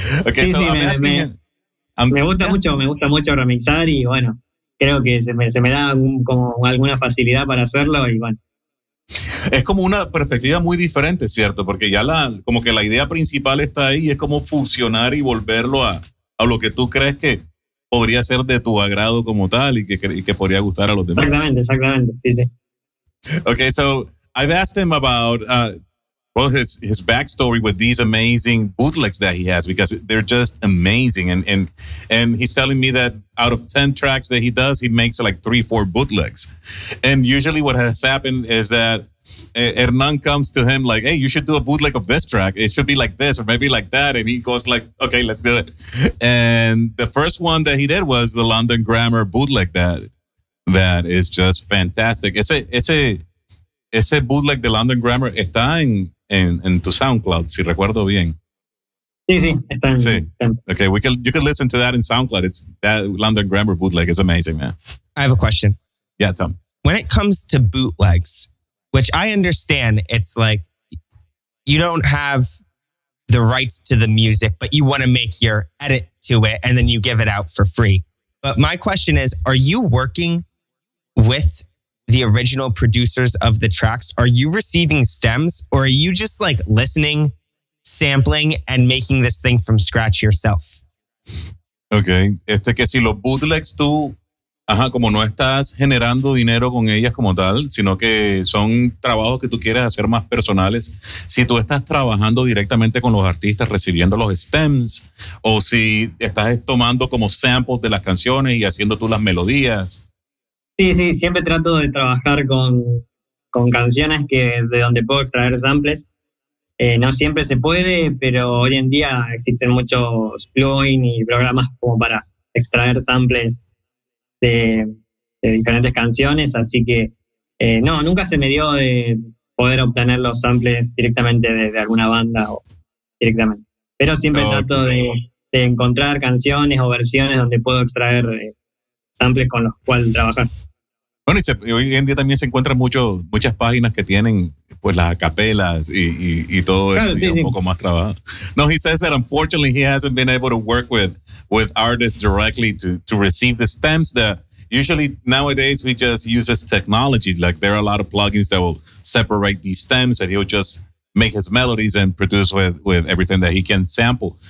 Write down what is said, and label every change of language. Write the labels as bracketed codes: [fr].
[es] Okay, sí, so sí, me gusta mucho remixar y bueno, creo que se me da como alguna facilidad para hacerlo y bueno. Es como una perspectiva muy diferente, ¿cierto? Porque ya como que la idea principal está ahí, es como fusionar y volverlo a lo que tú crees que podría ser de tu agrado como tal y que podría gustar a los demás. Exactamente, exactamente, sí, sí. [en] Okay, so I've asked him about Well, his backstory with these amazing bootlegs that he has, because they're just amazing. And he's telling me that out of 10 tracks that he does, he makes like 3-4 bootlegs. And usually what has happened is that Hernan comes to him like, hey, you should do a bootleg of this track. It should be like this or maybe like that. And he goes like, okay, let's do it. And the first one that he did was the London Grammar bootleg that is just fantastic. [es] Ese bootleg de London Grammar está en tu SoundCloud, si recuerdo bien. Sí, está en. Sí. [en] Okay, you can listen to that in SoundCloud. It's that London Grammar bootleg is amazing, man. I have a question. Yeah, Tom. When it comes to bootlegs, which I understand, it's like you don't have the rights to the music, but you want to make your edit to it and then you give it out for free. But my question is, are you working with the original producers of the tracks? Are you receiving stems or are you just like listening, sampling and making this thing from scratch yourself? Okay. [es] Que si los bootlegs tú, ajá, como no estás generando dinero con ellas como tal, sino que son trabajos que tú quieres hacer más personales, si tú estás trabajando directamente con los artistas, recibiendo los stems, o si estás tomando como samples de las canciones y haciendo tú las melodías. Sí, siempre trato de trabajar con canciones que de donde puedo extraer samples. No siempre se puede, pero hoy en día existen muchos plugins y programas como para extraer samples de diferentes canciones, así que no, nunca se me dio de poder obtener los samples directamente de alguna banda o directamente. Pero siempre trato de encontrar canciones o versiones donde puedo extraer samples con los cuales trabajar. Bueno, hoy en día también se encuentran muchas páginas que tienen pues las acapelas y todo, claro, y sí, un sí. Poco más trabajo. [en] No, he says that unfortunately he hasn't been able to work with artists directly to receive the stems. That usually nowadays we just use this technology. Like there are a lot of plugins that will separate these stems and he'll just make his melodies and produce with everything that he can sample.